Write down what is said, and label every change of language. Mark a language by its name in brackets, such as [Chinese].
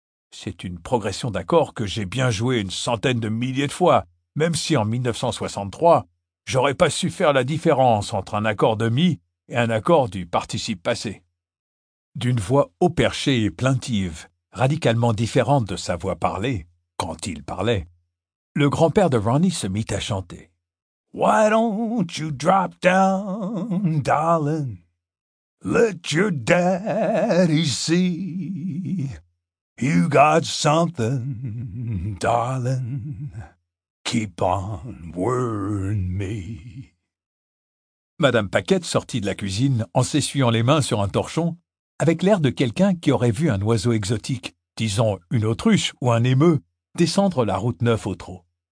[French] C'est une progression d'accords que j'ai bien joué une centaine de milliers de fois, même si en 1963, j'aurais pas su faire la différence entre un accord de mi et un accord du participe passé. D'une voix haut perchée et plaintive, radicalement différente de sa voix parlée, quand il parlait, le grand-père de Ronnie se mit à chanter. [English] « Why don't you drop down, darling? Let your daddy see. You got something, darling. Keep on worrying me. [French] » Madame Paquette sortit de la cuisine en s'essuyant les mains sur un torchon avec l'air de quelqu'un qui aurait vu un oiseau exotique, disons une autruche ou un émeu, descendre la route 9 au trot.